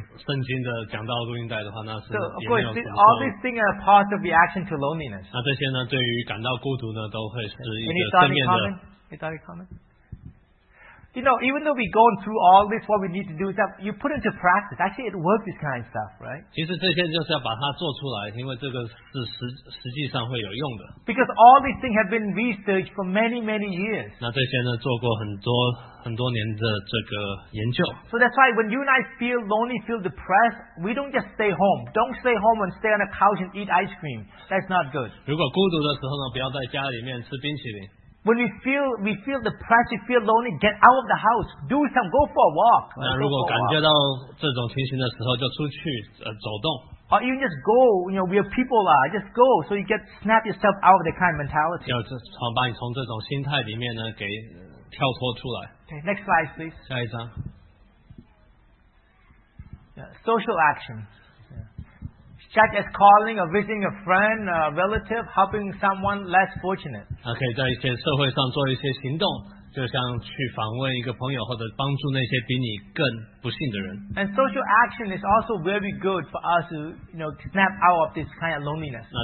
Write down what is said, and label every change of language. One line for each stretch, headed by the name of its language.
Chinese: 圣经的讲道录音带的话，那是也没有。
English: So of course, all these things are part of reaction to loneliness.
Chinese: 那这些呢，对于感到孤独呢，都会是一个正面的。
English: Any thought comment? You know, even though we're going through all this, what we need to do is that you put into practice. Actually, it works this kind of stuff, right?
Chinese: 其实这些就是要把它做出来，因为这个是实际上会有用的。
English: Because all these things have been researched for many, many years.
Chinese: 那这些呢，做过很多年的这个研究。
English: So that's why when you and I feel lonely, feel depressed, we don't just stay home. Don't stay home and stay on the couch and eat ice cream. That's not good.
Chinese: 如果孤独的时候呢，不要在家里面吃冰淇淋。
English: When we feel the pressure, feel lonely, get out of the house, do some, go for a walk.
Chinese: 如果感觉到这种情形的时候，就出去走动。
English: Or even just go, you know, where people are, just go, so you get snap yourself out of the kind of mentality.
Chinese: 要把你从这种心态里面呢，给跳脱出来。
English: Okay, next slide, please.
Chinese: 下一张。
English: Yeah, social action. Such as calling or visiting a friend, a relative, helping someone less fortunate.
Chinese: 可以在一些社会上做一些行动，就像去访问一个朋友或者帮助那些比你更不幸的人。
English: And social action is also very good for us to, you know, snap out of this kind of loneliness.